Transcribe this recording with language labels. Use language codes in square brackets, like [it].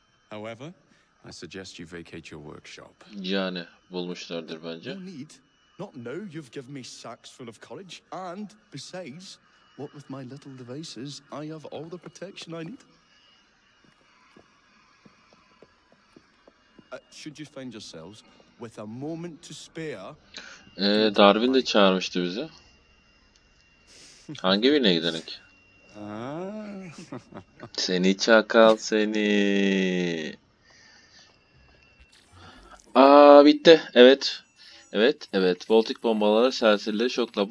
[en] However, I suggest you vacate your workshop. [tr] Yani bulmuşlardır bence. [en] Not now, you've given me sacks full of courage, and besides, what with my little devices, I have all the protection I need. Should you find yourselves with a moment to spare... [tr] Darwin de çağırmıştı bizi. Hangi birine giderek? Seni çakal, seni. Bitti. Evet. Evet, evet. Voltik bombalara serserileri şokla.